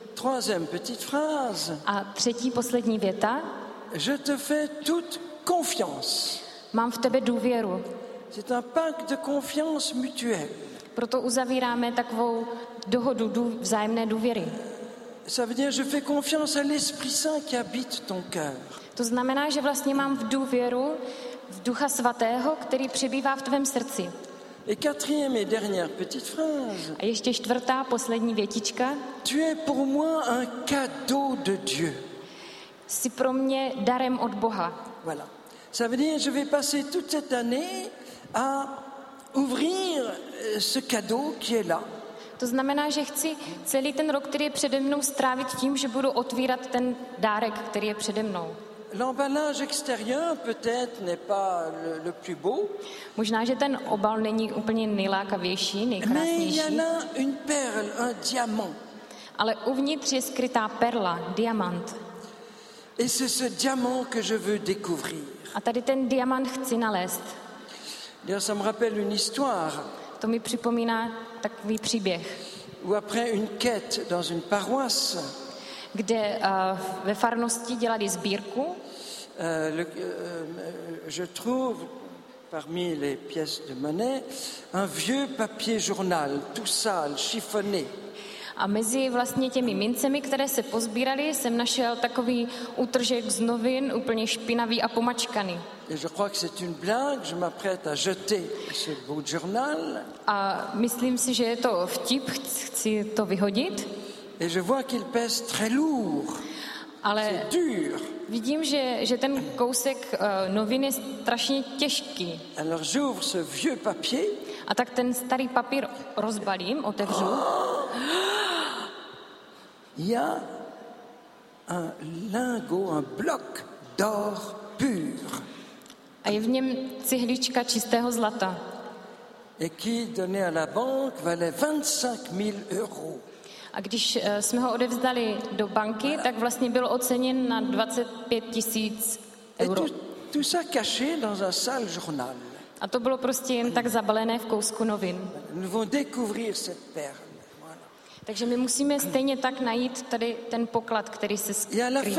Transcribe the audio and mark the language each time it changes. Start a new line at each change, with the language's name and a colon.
French: Troisième petite phrase.
Czech: A třetí poslední věta.
French: Je te fais toute confiance.
Czech: Mám v tebe důvěru.
French: C'est un pacte de confiance mutuelle.
Czech: Proto uzavíráme takovou dohodu vzájemné důvěry.
French: Ça veut dire je fais confiance à l'Esprit Saint qui habite ton cœur.
Czech: To znamená, že vlastně mám v důvěru v Ducha svatého, který přebývá v tvém srdci.
French: Et quatrième et dernière petite phrase.
Czech: A ještě čtvrtá poslední větička.
French: Tu es pour moi un cadeau de Dieu.
Czech: Jsi pro mě darem od Boha.
French: Voilà. Ça veut dire je vais passer toute cette année à ouvrir ce cadeau qui est là.
Czech: To znamená, že chci celý ten rok, který je přede mnou, strávit tím, že budu otvírat ten dárek, který je přede mnou.
French: L'emballage extérieur peut-être n'est pas le plus beau.
Czech: Možná, že ten obal není úplně nejlákavější, nejkrásnější.
French: Mais il y a là une perle, un diamant.
Czech: Ale uvnitř je skrytá perla, diamant.
French: Et c'est ce diamant que je veux découvrir.
Czech: A tady ten diamant chci nalézt.
French: Ça me rappelle une histoire.
Czech: To mi připomíná takový příběh.
French: Ou après une quête dans une paroisse.
Czech: Kde ve farnosti dělali sbírku.
French: Je trouve parmi les pièces de monnaie un vieux papier journal, tout sale, chiffonné.
Czech: A mezi vlastně těmi mincemi, které se pozbírali, jsem našel takový útržek z novin, úplně špinavý a pomačkaný.
French: Je crois que c'est une blague, je m'apprête à jeter ce beau journal.
Czech: A myslím si, že je to vtip, chci to vyhodit.
French: Et je vois qu'il pèse très lourd.
Czech: Ale
French: c'est dur.
Czech: Vidím, že ten kousek novin je strašně těžký.
French: Alors j'ouvre ce vieux papier.
Czech: A tak ten starý papír rozbalím, otevřu.
French: Il y a un lingot, un bloc d'or pur.
Czech: A je v něm cihlička čistého zlata.
French: Et qui donné à la banque valait 25 000 euros.
Czech: A když jsme ho odevzdali do banky, tak vlastně byl oceněn na 25 tisíc euro.
French: Tout ça caché dans un sale journal.
Czech: A to bylo prostě jen tak zabalené v kousku novin.
French: Nous allons découvrir cette perle.
Czech: Takže my musíme stejně tak najít tady ten poklad, který se skrývá.